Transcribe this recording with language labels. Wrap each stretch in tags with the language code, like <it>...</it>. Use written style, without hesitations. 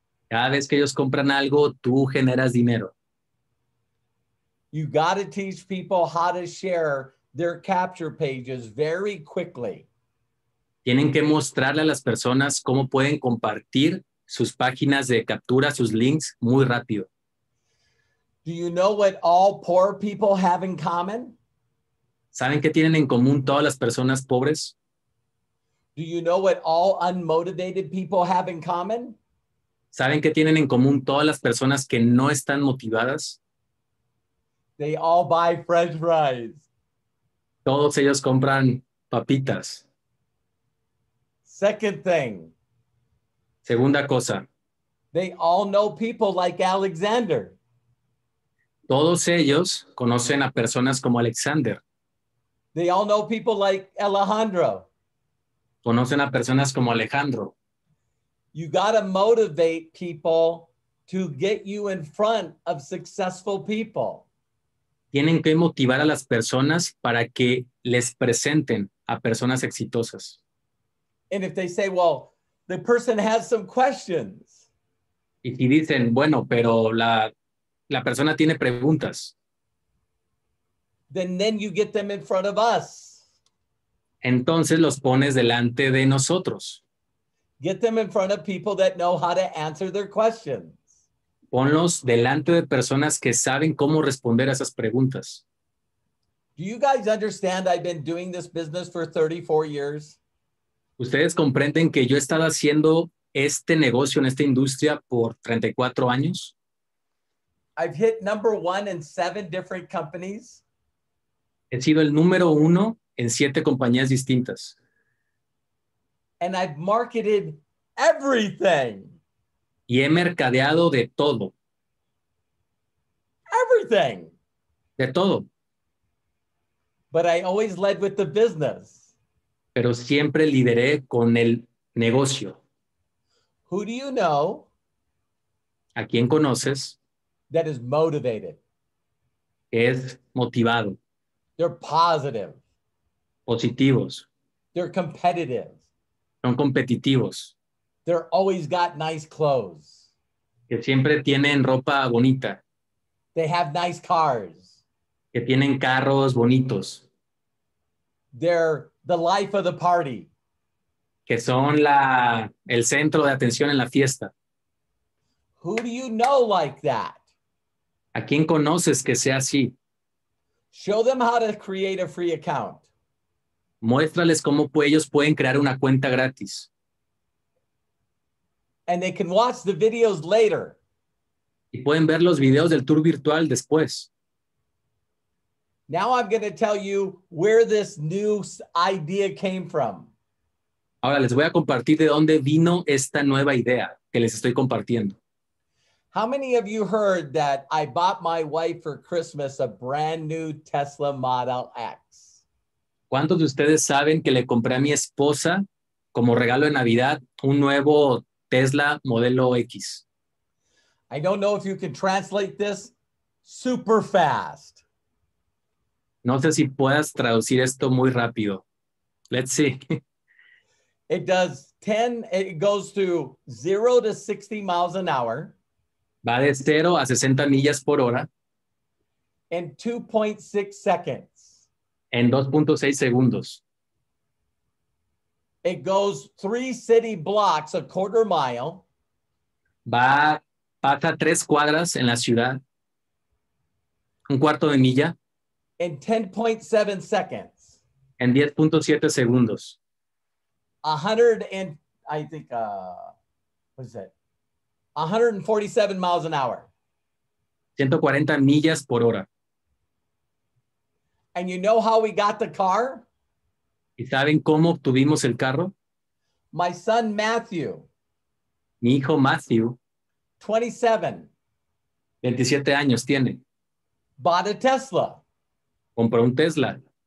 <es>Cada vez que ellos compran algo, tú generas dinero.</es> <en>You got to teach people how to share their capture pages very quickly.</en> <es>Tienen que mostrarle a las personas cómo pueden compartir sus páginas de captura, sus links, muy rápido.</es> <en>Do you know what all poor people have in common?</en> <es>¿Saben qué tienen en común todas las personas pobres?</es> <en>Do you know what all unmotivated people have in common?</en> <es>¿Saben qué tienen en común todas las personas que no están motivadas?</es> <en>They all buy French fries.</en> <es>Todos ellos compran papitas.</es> <en>Second thing.</en> <es>Segunda cosa.</es> <en>They all know people like Alexander.</en> <es>Todos ellos conocen a personas como Alexander.</es> <en>They all know people like Alejandro.</en> <es>Conocen a personas como Alejandro.</es> <en>You gotta motivate people to get you in front of successful people.</en> <es>Tienen que motivar a las personas para que les presenten a personas exitosas.</es> <en>And if they say, well, the person has some questions.</en> <es>Y si dicen, bueno, pero la persona tiene preguntas.</es> <en>Then you get them in front of us.</en> <es>Entonces los pones delante de nosotros.</es> <en>Get them in front of people that know how to answer their questions.</en> <es>Ponlos delante de personas que saben cómo responder a esas preguntas.</es> <en>Do you guys understand I've been doing this business for 34 years?</en> <es>¿Ustedes comprenden que yo he estado haciendo este negocio en esta industria por 34 años?</es> <en>I've hit number one in 7 different companies.</en> <es>He sido el número uno en 7 compañías distintas.</es> <en>And I've marketed everything.</en> <es>Y he mercadeado de todo.</es> <en>Everything.</en> <es>De todo.</es> <en>But I always led with the business.</en> <es>Pero siempre lideré con el negocio.</es> <en>Who do you know?</en> <es>¿A quién conoces?</es> <en>That is motivated.</en> <es>Es motivado.</es> <en>They're positive.</en> <es>Positivos.</es> <en>They're competitive.</en> <es>Son competitivos.</es> <en>They're always got nice clothes.</en> <es>Que siempre tienen ropa bonita.</es> <en>They have nice cars.</en> <es>Que tienen carros bonitos.</es> <en>They're the life of the party.</en> <es>Que son el centro de atención en la fiesta.</es> <en>Who do you know like that?</en> <es>¿A quién conoces que sea así?</es> <en>Show them how to create a free account.</en> <es>Muéstrales cómo ellos pueden crear una cuenta gratis.</es> <en>And they can watch the videos later.</en> <es>Y pueden ver los videos del tour virtual después.</es> <en>Now I'm going to tell you where this new idea came from.</en> <es>Ahora les voy a compartir de dónde vino esta nueva idea que les estoy compartiendo.</es> <en>How many of you heard that I bought my wife for Christmas a brand new Tesla Model X?</en> <es>¿Cuántos de ustedes saben que le compré a mi esposa como regalo de Navidad un nuevo Tesla Modelo X?</es> <en>I don't know if you can translate this super fast.</en> <es>No sé si puedas traducir esto muy rápido.</es> <en>Let's see. It goes to 0 to 60 miles an hour.</en> <es>Va de 0 a 60 millas por hora.</es> <en>In 2.6 seconds.</en> <es>En 2.6 segundos.</es> <en>It goes 3 city blocks a quarter mile.</en> <es>Pasa 3 cuadras en la ciudad. Un cuarto de milla.</es> <en>In 10.7 seconds.</en> <es>En 10.7 segundos.</es> <en>147 miles an hour.</en> <es>140 millas por hora.</es> <en>And you know how we got the car?</en> <es>¿Y saben cómo obtuvimos el carro?</es> <en>My son Matthew.</en> <es>Mi hijo Matthew.</es> <en>27.</en> <es>27 años tiene.</es> <en>Bought a Tesla.</en> <es>Compró un Tesla.</es>